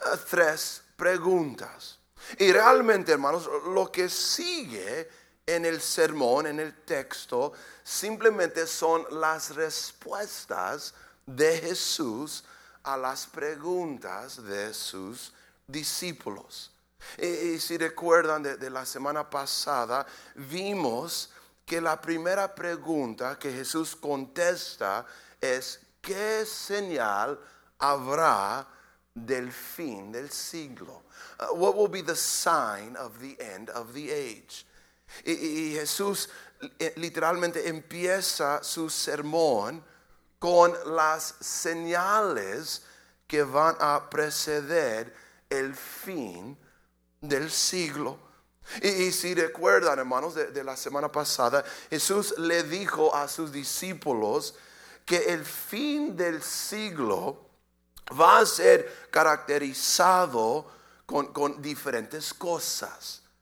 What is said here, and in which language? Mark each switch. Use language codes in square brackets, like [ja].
[es] Tres preguntas. Y realmente, hermanos, lo que sigue en el sermón, en el texto, simplemente son las respuestas de Jesús a las preguntas de sus discípulos. Y si recuerdan de la semana pasada, vimos que la primera pregunta que Jesús contesta es: ¿qué señal habrá del fin del siglo? [en] What will be the sign of the end of the age? [es] Y Jesús literalmente empieza su sermón con las señales que van a preceder el fin del siglo. Y si recuerdan, hermanos, de la semana pasada, Jesús le dijo a sus discípulos que el fin del siglo va a ser caracterizado con diferentes cosas.